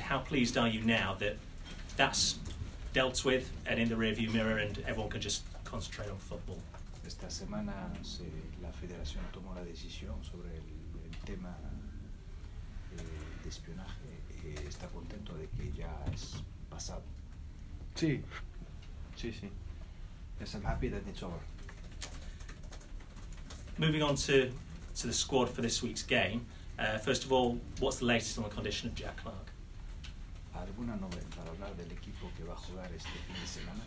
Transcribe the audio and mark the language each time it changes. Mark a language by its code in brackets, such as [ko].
[en] How pleased are you now that that's dealt with and in the rearview mirror and everyone can just concentrate on football? [es] Esta semana se, la Federación tomó la decisión sobre el tema de espionaje. Está contento de que ya es pasado. Sí, sí, sí. [en] Yes, I'm happy that it's over. Moving on to the squad for this week's game. First of all, what's the latest on the condition of Jack Clarke? [es] ¿Alguna novedad para hablar del equipo que va a jugar este fin de semana?